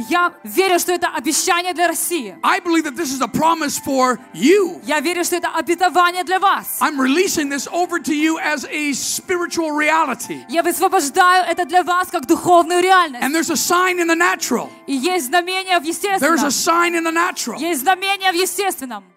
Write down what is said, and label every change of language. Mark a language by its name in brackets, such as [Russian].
[Russian] Я верю, что это обещание для России. [English] I believe that this is a promise for you. [Russian] Я верю, что это обетование для вас. [English] I'm releasing this over to you as a spiritual reality. [Russian] Я высвобождаю это для вас как духовную реальность. [English] And there's a sign in the natural. [Russian] И есть знамение в естественном. [English] There's a sign in the natural. [Russian] Есть знамение в естественном.